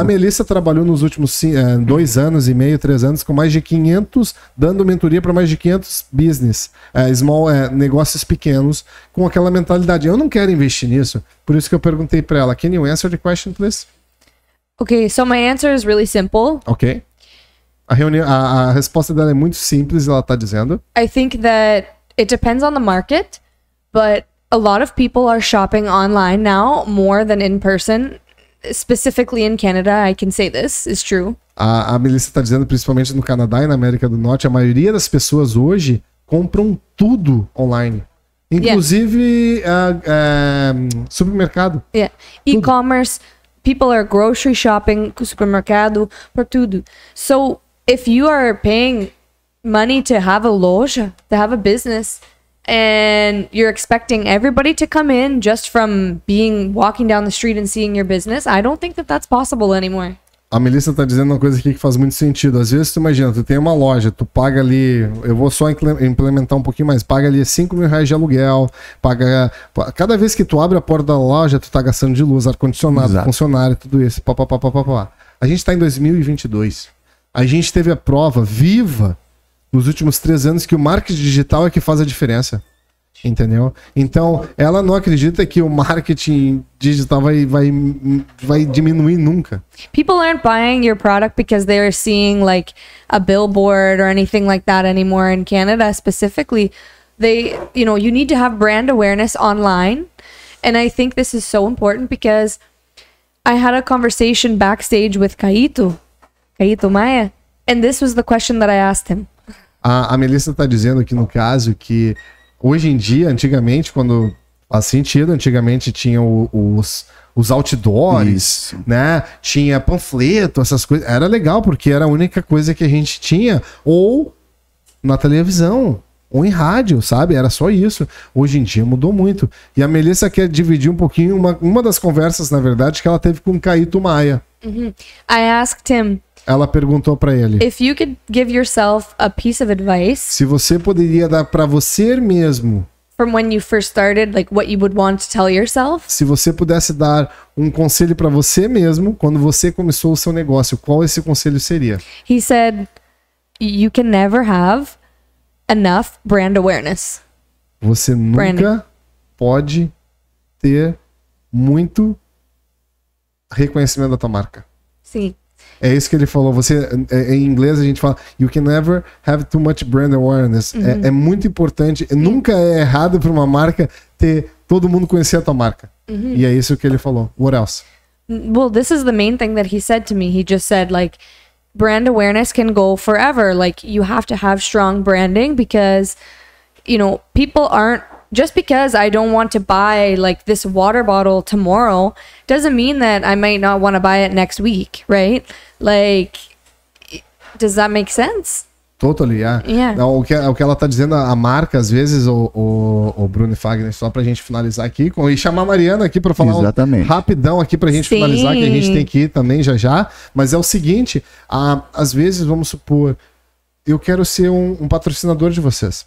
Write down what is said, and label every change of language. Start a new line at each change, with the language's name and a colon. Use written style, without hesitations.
Portuguese: A Melissa trabalhou nos últimos dois anos e meio, três anos, com mais de 500, dando mentoria para mais de 500 business, negócios pequenos, com aquela mentalidade. Eu não quero investir nisso, por isso que eu perguntei para ela.
English: Can you answer the question, please? Okay, so my answer is really simple. Okay.
Portuguese: A resposta dela é muito simples, ela tá dizendo.
English: I think that it depends on the market, but a lot of people are shopping online now more than in person. Specifically in Canada, I can say this, it's true.
Portuguese: A Melissa tá dizendo, principalmente no Canadá e na América do Norte, a maioria das pessoas hoje compram tudo online. Inclusive, supermercado.
English: Yeah, e-commerce, people are grocery shopping,
Portuguese: supermercado, por tudo.
English: So, if you are paying money to have a loja, to have a business, and you're expecting everybody to come in just from being walking down the street and seeing your business, I don't think that that's possible anymore.
Portuguese: A Melissa tá dizendo uma coisa aqui que faz muito sentido. Às vezes, tu imagina, tu tem uma loja, tu paga ali, eu vou só implementar um pouquinho mais, paga ali R$5.000 de aluguel, paga... Cada vez que tu abre a porta da loja, tu tá gastando de luz, ar-condicionado, exato, funcionário, tudo isso, pá, pá, pá, pá, pá, pá. A gente tá em 2022. A gente teve a prova viva nos últimos 3 anos que o marketing digital é que faz a diferença, entendeu? Então, ela não acredita que o marketing digital vai diminuir nunca.
English: People aren't buying your product because they are seeing like a billboard or anything like that anymore in Canada specifically. You need to have brand awareness online. And I think this is so important because I had a conversation backstage with Caíto Maia, and this was the question that I asked him.
Portuguese: A Melissa tá dizendo aqui no caso que hoje em dia, antigamente, quando faz sentido, antigamente tinha os outdoors, isso, né? Tinha panfleto, essas coisas. Era legal, porque era a única coisa que a gente tinha. Ou na televisão, ou em rádio, sabe? Era só isso. Hoje em dia mudou muito. E a Melissa quer dividir um pouquinho uma das conversas, na verdade, que ela teve com Caíto Maia.
English: Uh-huh. I asked him.
Portuguese: Ela perguntou para ele.
English: If you could give yourself a piece of advice.
Portuguese: Se você poderia dar para você mesmo.
English: From when you first started, like what you would want to tell yourself.
Portuguese: Se você pudesse dar um conselho para você mesmo quando você começou o seu negócio, qual esse conselho seria?
English: He said, you can never have enough brand awareness.
Portuguese: Você nunca pode ter muito reconhecimento da tua marca. Sim. É isso que ele falou. Você, em inglês a gente fala,
English: you can never have too much brand awareness.
Portuguese: Uhum. É muito importante. Sim. Nunca é errado para uma marca ter todo mundo conhecer a tua marca. Uhum. E é isso que ele falou.
English: What else? Well, this is the main thing that he said to me. He just said, like, brand awareness can go forever. Like, you have to have strong branding because, you know, people aren't... Just because I don't want to buy, like, this water bottle tomorrow doesn't mean that I might not want to buy it next week, right? Like, does that make sense? Totally, yeah. Yeah.
Portuguese: Não, o que ela tá dizendo, a marca, às vezes, o Bruno e Fagner, só pra gente finalizar aqui, e chamar a Mariana aqui pra falar rapidão aqui pra gente finalizar, que a gente tem que ir também já. Mas é o seguinte, às vezes, vamos supor... Eu quero ser um patrocinador de vocês.